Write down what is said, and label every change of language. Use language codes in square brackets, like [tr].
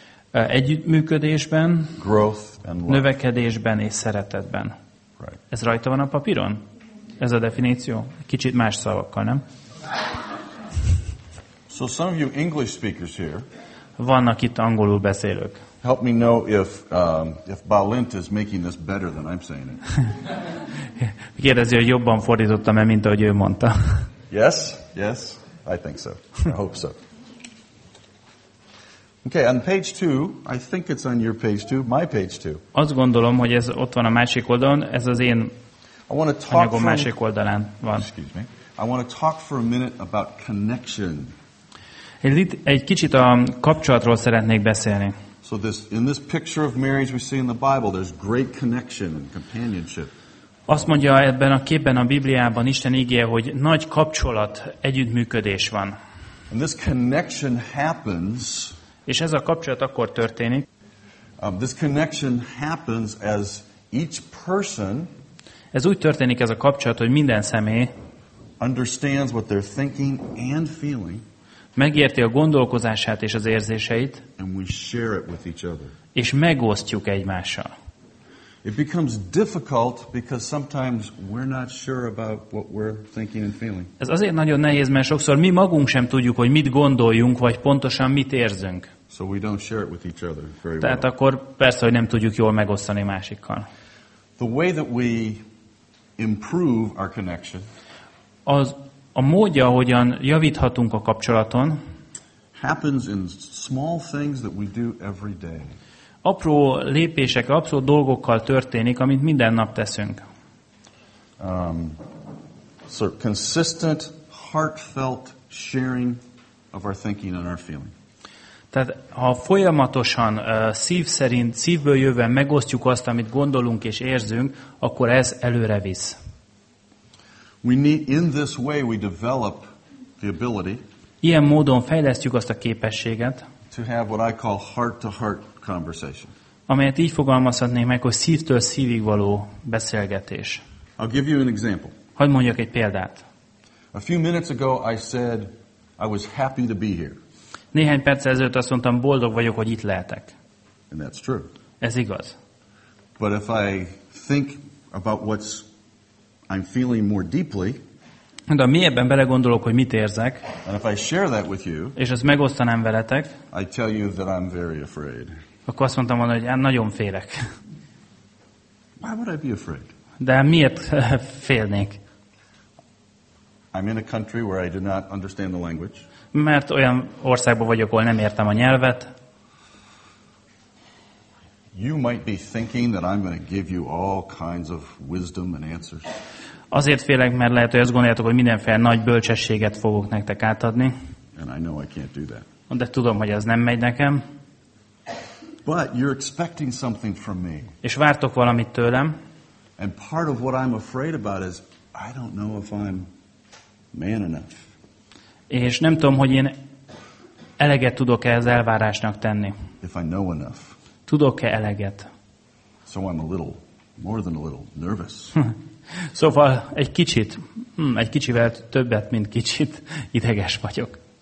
[hu] Együttműködésben. [en] Growth and love. [hu] Növekedésben és szeretetben. [en] Right. [hu] Ez rajta van a papíron? Ez a definíció? Kicsit más szavakkal, nem? [en] So some of you English speakers here. [hu] Vannak itt angolul beszélők. [en] Help me know if Balint is making this better than I'm saying it. [hu] Kérdezi, hogy jobban fordítottam-e, mint ahogy ő mondta. [en] Yes, yes, I think so. I hope so. Okay, on page 2, I think it's on your page 2, my page 2. [hu] Azt gondolom, hogy ez ott van a másik oldalon, ez az én anyagom másik oldalán van. [en] Excuse me. I want to talk for a minute about connection. [hu] Egy kicsit a kapcsolatról szeretnék beszélni. [en] So this in this picture of marriage we see in the Bible, there's great connection and companionship. [hu] Azt mondja ebben a képben a Bibliában Isten ígéje, hogy nagy kapcsolat, együttműködés van. [en] And this connection happens. [hu] És ez a kapcsolat akkor történik. [en] This connection happens as each person. [hu] Ez úgy történik ez a kapcsolat, hogy minden személy [en] understands what they're thinking and feeling. [hu] Megérti a gondolkozását és az érzéseit. [en] And we share it with each other. [hu] És megosztjuk egymással. [en] It becomes difficult because sometimes we're not sure about what we're thinking and feeling. [hu] Ez azért nagyon nehéz, mert sokszor mi magunk sem tudjuk, hogy mit gondoljunk, vagy pontosan mit érzünk. [en] So we don't share it with each other very well. [hu] Tehát akkor persze, hogy nem tudjuk jól megosztani másikkal. [en] The way that we improve our connection. [hu] Az a módja, hogyan javíthatunk a kapcsolaton, [en] happens in small things that we do every day. [hu] Apró lépések, apró dolgokkal történik, amit minden nap teszünk. [en] So consistent, heartfelt sharing of our thinking and our feeling. [hu] Tehát ha folyamatosan szívszerint, szívből jövően megosztjuk azt, amit gondolunk és érzünk, akkor ez előre visz. [en] We need, in this way we develop the ability. [hu] Ilyen módon fejlesztjük azt a képességet. [en] To have what I call heart-to-heart conversation. [hu] Amelyet így fogalmazhatnék meg, hogy szívtől szívig való beszélgetés. [en] I'll give you an example. [hu] Hadd mondjak egy példát. [en] A few minutes ago I said I was happy to be here. [hu] Néhány perc ezelőtt azt mondtam, boldog vagyok, hogy itt lehetek. [en] And that's true. [hu] Ez igaz. [en] But if I think about what's I'm feeling more deeply. [hu] De ha mélyebben belegondolok, hogy mit érzek, [en] and if I share that with you, [hu] és ezt megosztanám veletek, [en] I tell you that I'm very afraid. [hu] Akkor azt mondtam volna, hogy nagyon félek. [en] Why would I be afraid? [hu] De miért félnék? [en] I'm in a country where I do not understand the language. [hu] Mert olyan országban vagyok, ahol nem értem a nyelvet. [en] You might be thinking that I'm going to give you all kinds of wisdom and answers. [hu] Azért félek, mert lehet, hogy azt gondoljátok, hogy mindenféle nagy bölcsességet fogok nektek átadni. [en] And I know I can't do that. [hu] De tudom, hogy ez nem megy nekem. [en] But you're expecting something from me. [hu] És vártok valamit tőlem. [en] And part of what I'm afraid about is I don't know if I'm man enough. [hu] És nem tudom, hogy én eleget tudok-e az elvárásnak tenni. [en] If I know enough. [hu] Tudok-e eleget? [en] So I'm a little, more than a little nervous. [hu] Szóval egy kicsit, egy kicsivel többet, mint kicsit ideges vagyok.